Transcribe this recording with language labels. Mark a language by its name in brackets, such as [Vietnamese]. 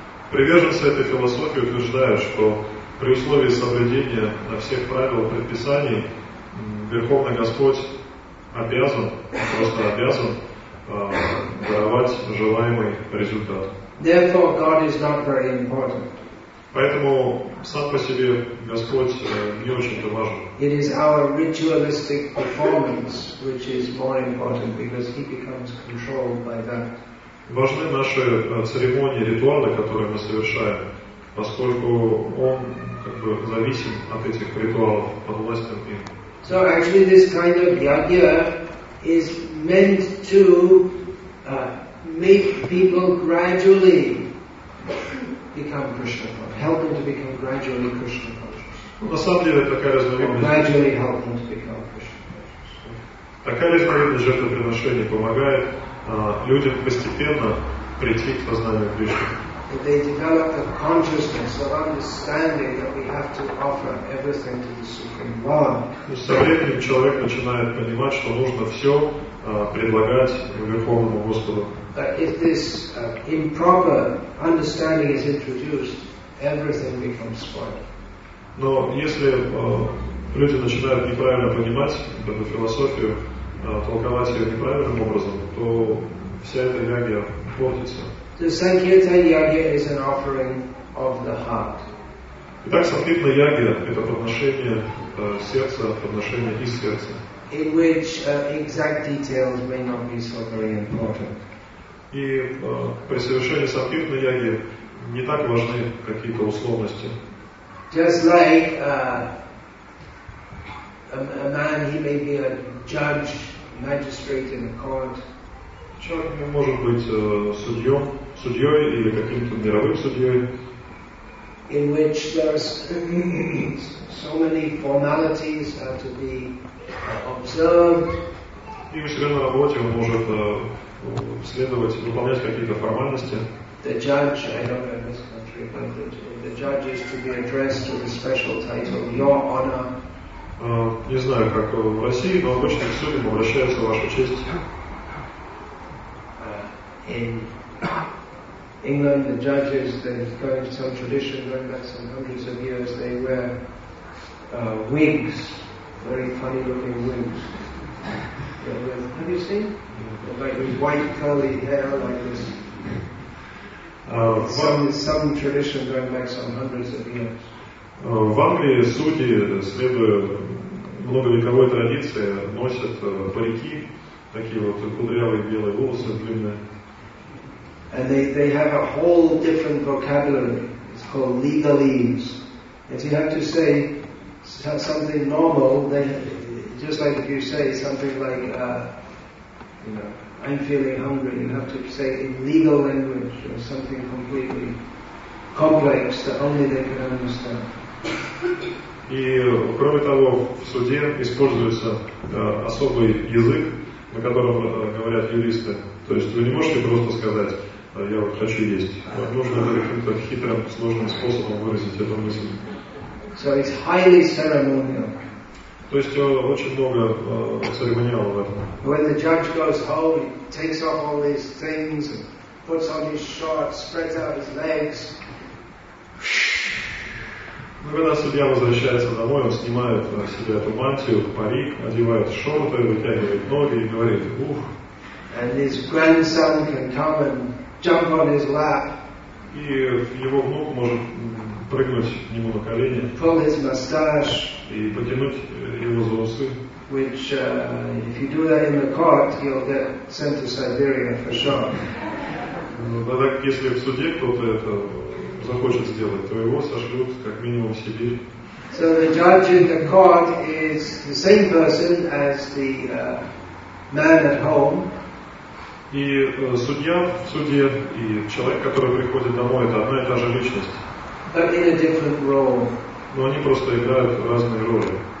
[Russian] Приверженцы этой философии утверждают, что при условии соблюдения всех правил предписаний Верховный Господь обязан, просто обязан даровать желаемый результат. [English] Therefore, God is not very important. [Russian] Поэтому сам по себе Господь не очень-то важен. [English] It is our ritualistic performance which is more important because he becomes controlled by that. [Russian] Важны наши церемонии, ритуалы, которые мы совершаем, поскольку он как бы зависим от этих ритуалов, под властью их. [English] So actually this kind of yajna is meant to make people gradually become Krishna conscious. Help them to become gradually Krishna conscious. Gradually help them to become Krishna conscious. [Russian] Такая разновидность жертвоприношения помогает людям постепенно прийти к познанию Кришны. [English] That they develop a consciousness of understanding that we have to offer everything to the Supreme Lord. [Russian] Со временем человек начинает понимать, что нужно все предлагать Верховному Господу. [English] But if this improper understanding is introduced, everything becomes spoiled. [Russian] Но если люди начинают неправильно понимать эту философию, толковать ее неправильным образом, то вся эта ягья портится. [English] The Sankirtan Yagya is an offering of the heart. [Russian] Итак, санскритная яги – это подношение сердца, подношение из сердца. [English] In which exact details may not be so very important. [Russian] И при совершении санскритной яги не так важны какие-то условности. [English] Just like a man, he may be a judge, magistrate in a court. [Russian] Человек может быть судьей или каким-то мировым судьей. [English] In which there's so many formalities have to be observed. [Russian] И у себя на работе он может следовать, выполнять какие-то формальности. [English] The judge, I don't know in this country, but the judge is to be addressed with a special title, Your Honor. [Russian] Не знаю, как в России, но обычно к судьям обращаются, Ваша честь. [English] In England, the judges, they've got some tradition going back some hundreds of years, they wear wigs, very funny looking wigs. Have you seen? Like with white curly hair, like this. Some tradition going back some hundreds of years. [Russian] В Англии судьи, следуя многовековой традиции, носят парики, такие вот кудрявые белые волосы длинные. [English] And they have a whole different vocabulary. It's called legalese. If you have to say something normal, then just like if you say something like, I'm feeling hungry, you have to say in legal language or something completely complex that only they can understand. [Russian] И кроме того, в суде используется особый язык, на котором говорят юристы. То есть вы не можете просто сказать. Я вот хочу есть. Нужно каким-то хитрым, сложным способом выразить эту мысль. [English] So it's highly ceremonial. [Russian] То есть очень много церемониала в этом. [English] When the judge goes home, he takes off all these things, puts on his shorts, spreads out his legs. [Russian] Но когда судья возвращается домой, он снимает себе эту мантию, парик, одевает шорты, вытягивает ноги и говорит, ух. [English] And his grandson can come and jump on his lap. [Russian] И его внук может прыгнуть к нему на колени. [English] Pull his mustache. [Russian] И потянуть его за усы. [English] Which, if you do that in the court, you'll get sent to Siberia for sure. [Russian] Да так, если в суде кто-то это захочет сделать, то его сошлют как минимум в Сибирь. [English] So the judge in the court is the same person as the man at home. [Russian] И судья в суде, и человек, который приходит домой, это одна и та же личность. [English] But in a different role. [Russian] Но они просто играют разные роли.